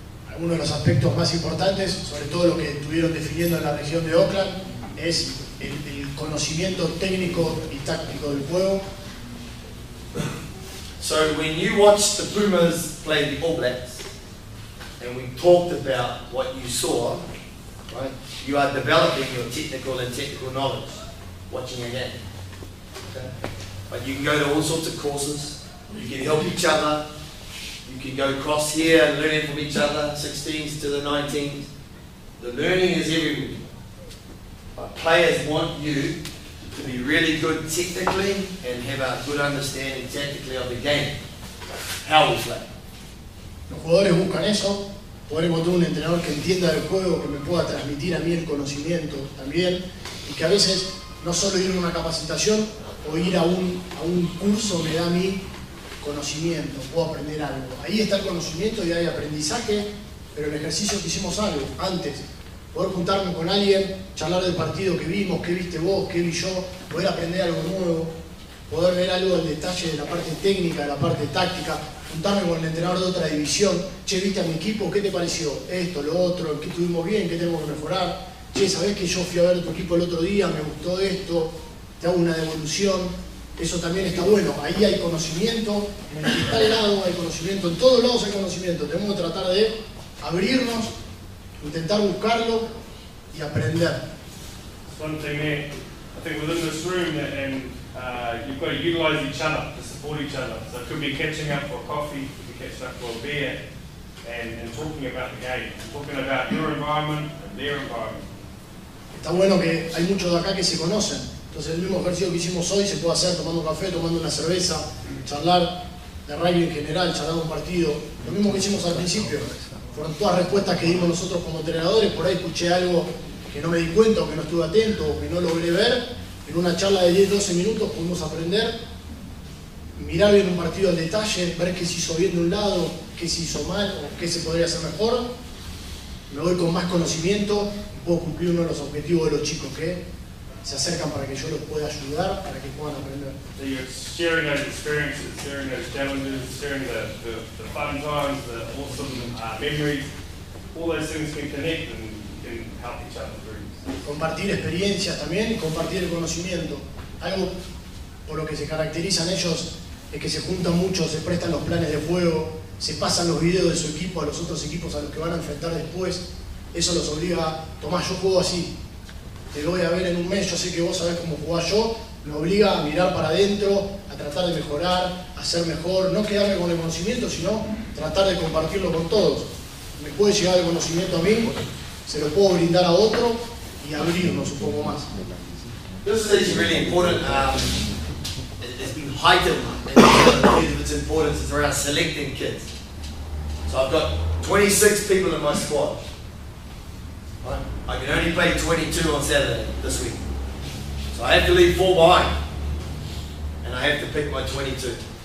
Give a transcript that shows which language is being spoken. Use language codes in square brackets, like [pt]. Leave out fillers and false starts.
[es] Algunos de los aspectos más importantes, sobre todo lo que estuvieron definiendo en la región de Auckland, es el conocimiento técnico y táctico del juego. [en] So when you watched the Pumas play the All Blacks and we talked about what you saw, right, you are developing your technical and technical knowledge watching a game. Okay. But you can go to all sorts of courses, you can help each other, you can go across here and learn from each other, 16s to the 19s. The learning is everywhere. But players want you to be really good technically and have a good understanding tactically of the game. How we play. [es] Los jugadores buscan eso. Poder encontrar un entrenador que entienda el juego, que me pueda transmitir a mí el conocimiento también. Y que a veces no solo ir a una capacitación o ir a un curso me da a mí conocimiento. Puedo aprender algo. Ahí está el conocimiento y hay aprendizaje, pero el ejercicio que hicimos algo antes. Poder juntarme con alguien, charlar del partido que vimos, qué viste vos, qué vi yo, poder aprender algo nuevo, poder ver algo del detalle de la parte técnica, de la parte táctica, juntarme con el entrenador de otra división, che, viste a mi equipo, qué te pareció esto, lo otro, qué tuvimos bien, qué tenemos que mejorar, che, sabés que yo fui a ver tu equipo el otro día, me gustó esto, te hago una devolución, eso también está bueno, ahí hay conocimiento, en el tal lado hay conocimiento, en todos lados hay conocimiento, tenemos que tratar de abrirnos, intentar buscarlo y aprender. [en] One thing there, I think within this room, and you've got to utilize each other to support each other. So it could be catching up for a coffee, it could be catching up for a beer, and talking about the game, and talking about your environment and their environment. [es] Está bueno que hay muchos de acá que se conocen. Entonces el mismo ejercicio que hicimos hoy se puede hacer tomando café, tomando una cerveza, charlar de rugby en general, charlar un partido. Lo mismo que hicimos al principio. Fueron todas respuestas que dimos nosotros como entrenadores, por ahí escuché algo que no me di cuenta, o que no estuve atento, o que no logré ver. En una charla de 10-12 minutos pudimos aprender, mirar bien un partido al detalle, ver qué se hizo bien de un lado, qué se hizo mal, o qué se podría hacer mejor. Me voy con más conocimiento y puedo cumplir uno de los objetivos de los chicos que se acercan para que yo los pueda ayudar, para que puedan aprender. [en] So you're sharing those experiences, sharing those challenges, sharing the fun times, the awesome memories. All those things can connect and can help each other through. [es] Compartir experiencias también y compartir el conocimiento. Algo por lo que se caracterizan ellos es que se juntan mucho, se prestan los planes de juego, se pasan los videos de su equipo a los otros equipos a los que van a enfrentar después. Eso los obliga a tomar, yo juego así. Te voy a ver en un mes, yo sé que vos sabés cómo jugás yo, me obliga a mirar para adentro, a tratar de mejorar, a ser mejor, no quedarme con el conocimiento, sino tratar de compartirlo con todos. Me puede llegar el conocimiento a mí, se lo puedo brindar a otro y abrirnos un poco más. [en] This is really important. It's been heightened in its importance is around selecting kids. So I've got 26 people in my squad. I can only play 22 on Saturday this week. So I have to leave 4 behind. And I have to pick my 22. Okay.